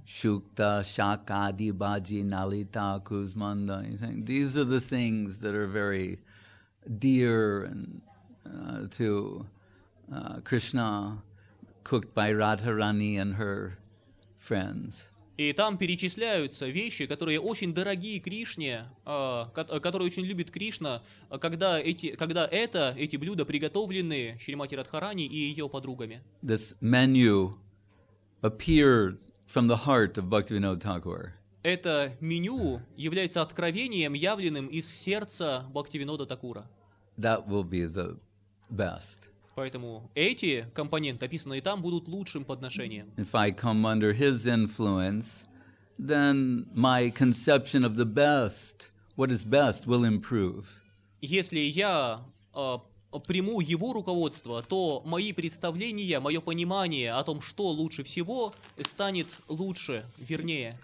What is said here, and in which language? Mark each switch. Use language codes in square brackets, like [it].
[ru] Шукта, Шакади, Баджи, Налита, Кузманда. [en] These are the things that are very dear and, to Krishna, cooked by Radharani and her friends. [ru] И там перечисляются вещи, которые очень дорогие Кришне, которые очень любит Кришна, когда эти блюда приготовлены Шримати Радхарани и ее подругами. [en] This menu appeared from the heart of Bhaktivinoda Thakur. [ru] Это меню является откровением, явленным из сердца Бхактивинода Такура. [en] That will be the best. [ru] Поэтому эти компоненты, описанные там, будут лучшим подношением. [en] If I come under his influence, then my conception of the best, what is best, will improve. [ru] Если я приму его руководство, то мои представления, мое понимание о том, что лучше всего, станет лучше, вернее.